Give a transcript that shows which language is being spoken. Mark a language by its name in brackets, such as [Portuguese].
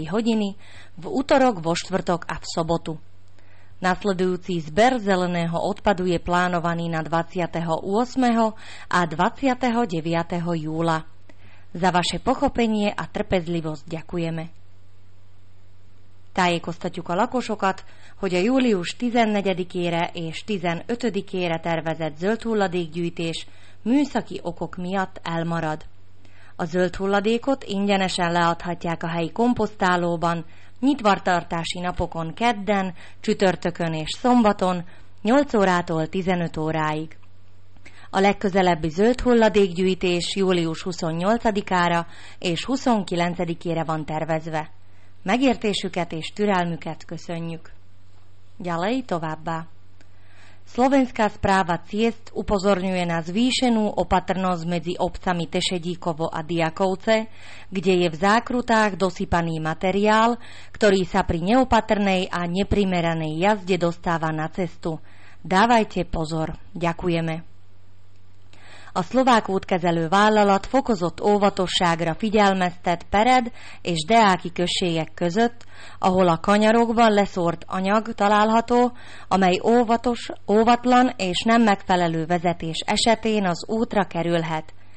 [Slovak] hodiny v utorok, vo štvrtok a v sobotu. Nasledujúci zber zeleného odpadu je plánovaný na 28. a 29. júla. Za vaše pochopenie a trpezlivosť ďakujeme. [Hungarian] Tá je kostatjuk a lakosokat, hogy a július 14-ére és 15-ére tervezett zöld hulladékgyűjtés műszaki okok miatt elmarad. A zöld hulladékot ingyenesen leadhatják a helyi komposztálóban, nyitvatartási napokon kedden, csütörtökön és szombaton, 8 órától 15 óráig. A legközelebbi zöld hulladékgyűjtés július 28-ára és 29-ére van tervezve. Megértésüket és türelmüket köszönjük. [Slovak] Ďalej [Hungarian] továbbá. [Slovak] Slovenská správa ciest upozorňuje na zvýšenú opatrnosť medzi obcami Tešedíkovo a Diakovce, kde je v zákrutách dosypaný materiál, ktorý sa pri neopatrnej a neprimeranej jazde dostáva na cestu. Dávajte pozor. Ďakujeme. [Hungarian] A szlovák útkezelő vállalat fokozott óvatosságra figyelmeztet Pered és Deáki községek között, ahol a kanyarokban leszórt anyag található, amely óvatlan és nem megfelelő vezetés esetén az útra kerülhet.